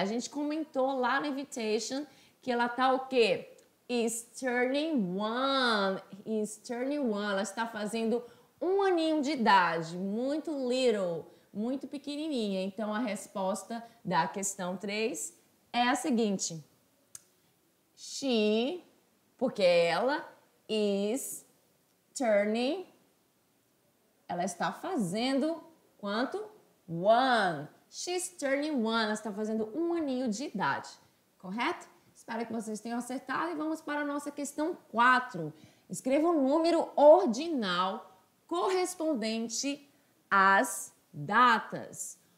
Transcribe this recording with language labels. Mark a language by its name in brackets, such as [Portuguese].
[Portuguese] A gente comentou lá na invitation que ela tá o quê? [English] Is turning one. Is turning one. [Portuguese] Ela está fazendo um aninho de idade. Muito little. Muito pequenininha. Então, a resposta da questão 3 é a seguinte. [English] She, [Portuguese] porque ela, [English] is turning. [Portuguese] Ela está fazendo quanto? One. [English] She's turning one. [Portuguese] Ela está fazendo um aninho de idade. Correto? Espero que vocês tenham acertado e vamos para a nossa questão 4. Escreva um número ordinal correspondente às datas.